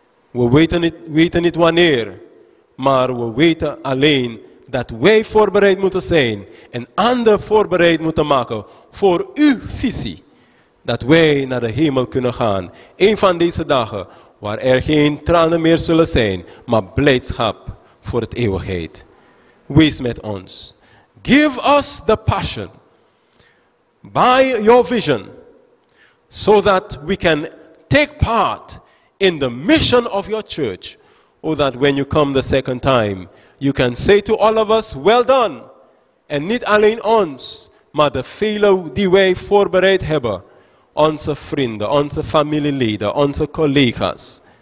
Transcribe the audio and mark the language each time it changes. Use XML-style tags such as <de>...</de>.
<nl>We weten niet wanneer, maar we weten alleen dat wij voorbereid moeten zijn en anderen voorbereid moeten maken voor uw visie. Dat wij naar de hemel kunnen gaan. Een van deze dagen waar er geen tranen meer zullen zijn, maar blijdschap voor het eeuwigheid. Wees met ons.</nl> <en>Give us the passion by your vision so that we can take part in the mission of your church. Or that when you come the second time, you can say to all of us, well done. And not</en> <nl>alleen ons, maar de velen die wij voorbereid hebben. Onze vrienden, onze familieleden, onze collega's.</nl>